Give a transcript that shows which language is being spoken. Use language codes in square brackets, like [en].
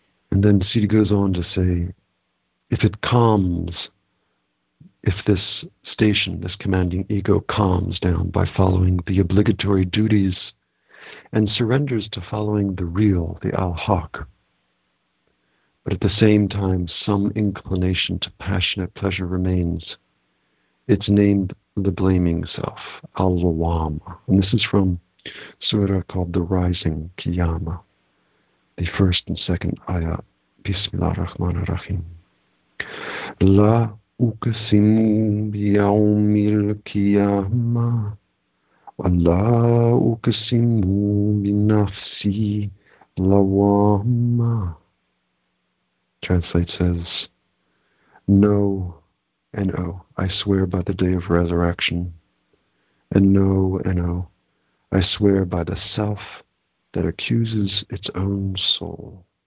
[en] And then Siddhi goes on to say, if it calms, if this station, this commanding ego, calms down by following the obligatory duties and surrenders to following the real, the al-haq, but at the same time some inclination to passionate pleasure remains, it's named the blaming self, al-lawam. And this is from surah called the Rising Qiyama, the first and second ayah, Bismillah ar-Rahman ar-Rahim. [ar] La أقسم بيوم القيامة ولا أقسم بنفسي لوامة. [en] Translate says, no, N-O, I swear by the day of resurrection, and no, N-O, I swear by the self that accuses its own soul.